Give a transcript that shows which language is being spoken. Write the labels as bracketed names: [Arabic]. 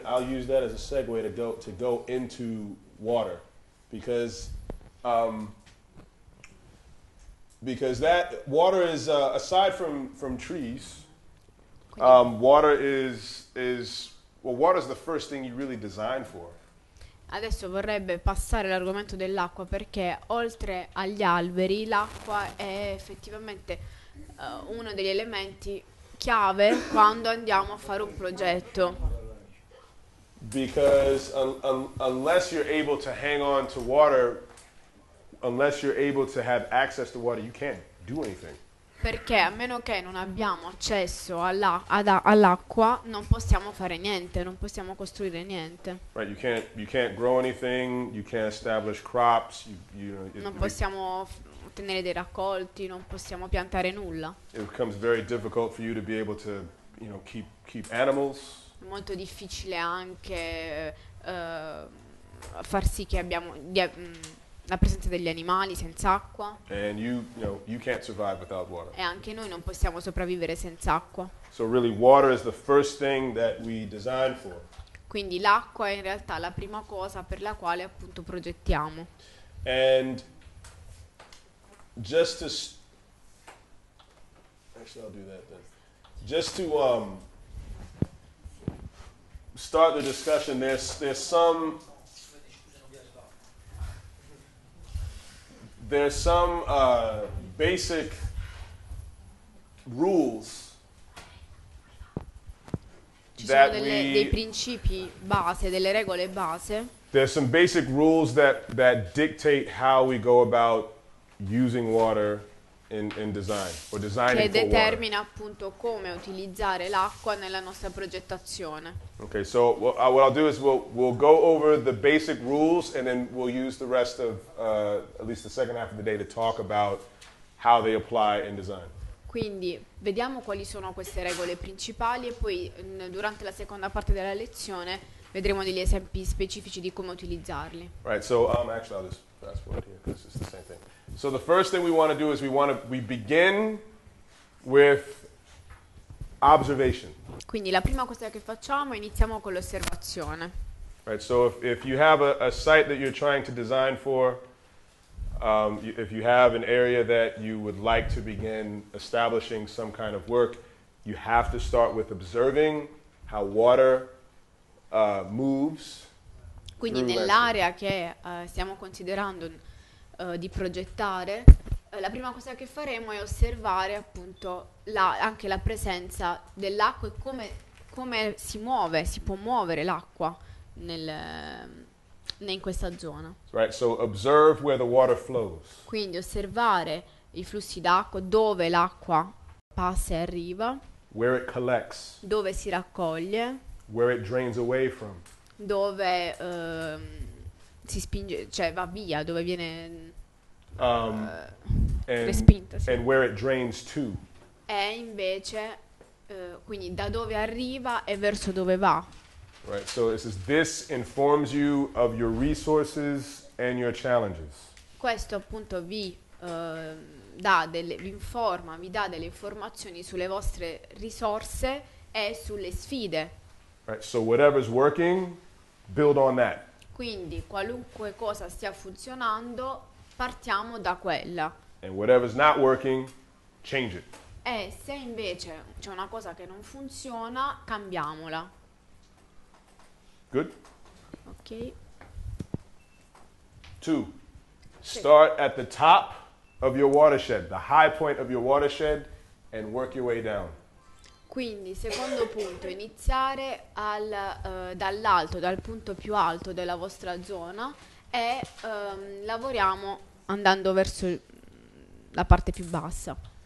[English] I'll use that as a segue to go into water, because that water is aside from trees, water is water is the first thing you really design for. [Italian] Adesso vorrebbe passare l'argomento dell'acqua perché oltre agli alberi l'acqua è effettivamente uno degli elementi chiave quando andiamo a fare un progetto. [English] Because unless you're able to hang on to water, unless you're able to have access to water, you can't do anything. [Italian] perché a meno che non abbiamo accesso all'acqua, non possiamo fare niente, non possiamo costruire niente. [English] Right, you can't grow anything, you can't establish crops, [Italian] Non possiamo ottenere dei raccolti, non possiamo piantare nulla. [English] It becomes very difficult for you to be able to, you know, keep animals. [Italian] Molto difficile anche far sì che abbiamo la presenza degli animali senza acqua. [English] And you can't survive without water. [Italian] E anche noi non possiamo sopravvivere senza acqua. [English] So really water is the first thing that we design for. [Italian] Quindi l'acqua è in realtà la prima cosa per la quale appunto progettiamo. [English] And just to actually I'll do that then. Just to start the discussion, there's some basic rules that we. [Italian] Ci sono dei principi base, delle regole base. [English] There's some basic rules that dictate how we go about using water. In design, or designing [Italian] che [English] for [Italian] determina [English] water. [Italian] Appunto come utilizzare l'acqua nella nostra progettazione. [English] Okay, so what I'll do is we'll go over the basic rules and then we'll use the rest of at least the second half of the day to talk about how they apply in design. [Italian] Quindi vediamo quali sono queste regole principali e poi durante la seconda parte della lezione vedremo degli esempi specifici di come utilizzarli. [English] Right, so actually I'll just fast forward here because it's the same thing. So the first thing we want to do is we begin with observation. [Italian] Quindi la prima cosa che facciamo è iniziamo con l'osservazione. [English] Right, so if you have a site that you're trying to design for, if you have an area that you would like to begin establishing some kind of work, you have to start with observing how water moves. [Italian] Quindi nell'area che stiamo considerando di progettare, la prima cosa che faremo è osservare appunto anche la presenza dell'acqua e come si muove, si può muovere l'acqua in questa zona. [English] Right, so observe where the water flows. [Italian] Quindi osservare i flussi d'acqua, dove l'acqua passa e arriva, [English] where it collects, [Italian] dove si raccoglie, [English] where it drains away from. [Italian] Dove si spinge, cioè va via, dove viene respinta, sì. [English] And where it drains to. [Italian] E invece, quindi da dove arriva e verso dove va. [English] Right, so it says this informs you of your resources and your challenges. [Italian] Questo appunto vi dà delle informazioni sulle vostre risorse e sulle sfide. [English] Right, so whatever's working, build on that. [Italian] Quindi qualunque cosa stia funzionando, partiamo da quella. [English] And whatever's not working, change it. [Italian] E se invece c'è una cosa che non funziona, cambiamola. [English] Good. Ok. Two. Start at the top of your watershed, the high point of your watershed, and work your way down. [Italian] Quindi, secondo punto, iniziare dall'alto, dal punto più alto della vostra zona e lavoriamo andando verso la parte più bassa.